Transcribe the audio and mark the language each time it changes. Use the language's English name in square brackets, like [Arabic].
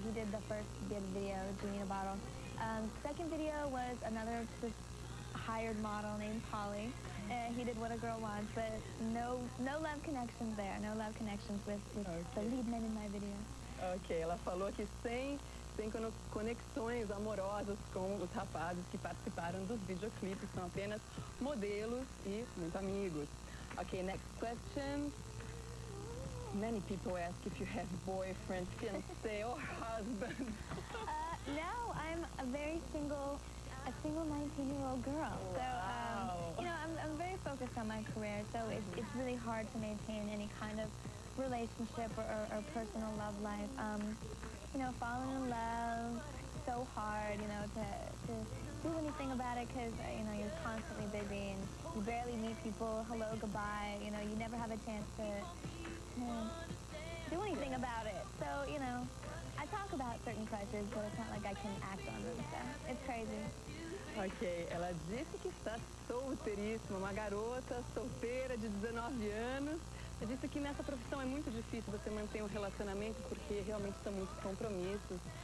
[English] He did the first big video, Genie in a Bottle. Second video was another hired model named Polly. He did What a Girl Wants, but no love connections there. No love connections with the lead men in my video. [Portuguese] Okay, ela falou que sem conexões amorosas com os rapazes que participaram dos videoclipes, são apenas modelos e muito amigos. [English] Okay, next question. Many people ask if you have boyfriend, fiancé, or husband. No, I'm a single 19-year-old girl. Wow. So, you know, I'm very focused on my career, so it's really hard to maintain any kind of relationship or personal love life. You know, falling in love, so hard, you know, to do anything about it because, you know, you're constantly busy and you barely meet people, hello, goodbye, you know, you never have a chance to do anything about it. So, you know, I talk about certain crushes, but it's not like I can act on them, so it's crazy. [Portuguese] Okay, ela disse que está solteiríssima, uma garota solteira de 19 anos. Ela disse que nessa profissão é muito difícil você manter um relacionamento porque realmente são muitos compromissos.